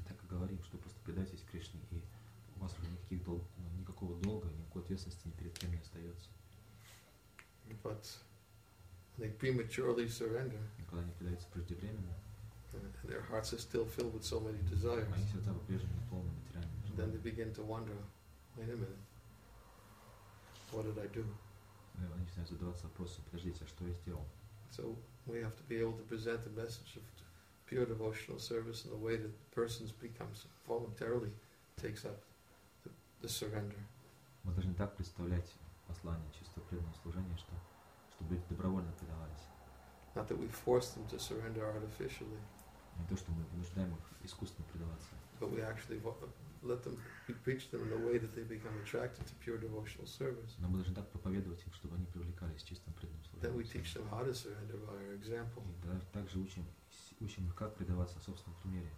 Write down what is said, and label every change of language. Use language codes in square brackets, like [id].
[ru] Так и говорим, что просто предайтесь Кришне и у вас уже никакого долга, никакой ответственности ни перед кем не остается. [en] But they prematurely surrender. [ru] Когда они предаются преждевременно. [en] And their hearts are still filled with so many desires. [ru] Они сердца по-прежнему полны материальными желаниями. [en] Then they begin to wonder, wait a minute, what did I do? [ru] Они начинают задаваться вопросом, подождите, а что я сделал? [en] So we have to be able to present the message of pure devotional service in a way that the person becomes voluntarily takes up the surrender. [ru] Мы должны так представлять послание чистого преданного служения, чтобы люди добровольно предавались. [en] Not that we force them to surrender artificially. [ru] Не то, что мы вынуждаем их искусственно предаваться. [en] But we actually let them, we preach them in a way that they become attracted to pure devotional service. [ru] Но мы должны так проповедовать им, чтобы они привлекались чистым преданным служением. [en] Then we teach them how to surrender by our example. [ru] И также учим их, как предаваться собственном примере.